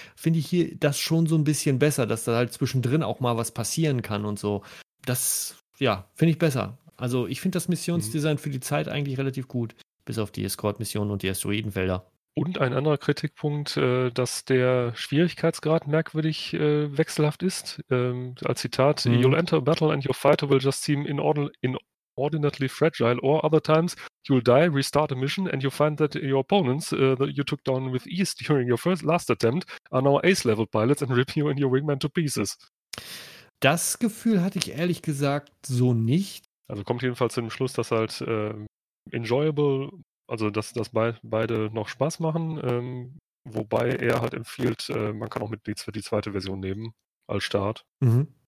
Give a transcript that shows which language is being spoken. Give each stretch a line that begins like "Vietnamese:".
German: Finde ich hier das schon so ein bisschen besser, dass da halt zwischendrin auch mal was passieren kann und so. Das, ja, finde ich besser. Also ich finde das Missionsdesign für die Zeit eigentlich relativ gut, bis auf die Escort-Missionen und die Asteroidenfelder. Und ein anderer Kritikpunkt, dass der Schwierigkeitsgrad merkwürdig wechselhaft ist. Als Zitat,
English: You'll enter a battle and your fighter will just seem inordinately fragile, or other times you'll die, restart a mission, and you find that your opponents that you took down with ease during your last attempt are now ace-level pilots and rip you and your wingman to pieces.
German: Das Gefühl hatte ich ehrlich gesagt so nicht. Also kommt jedenfalls zu dem Schluss, dass halt enjoyable, also dass beide noch Spaß machen, wobei er halt empfiehlt, man kann auch mit die zweite Version nehmen als Start. Mhm.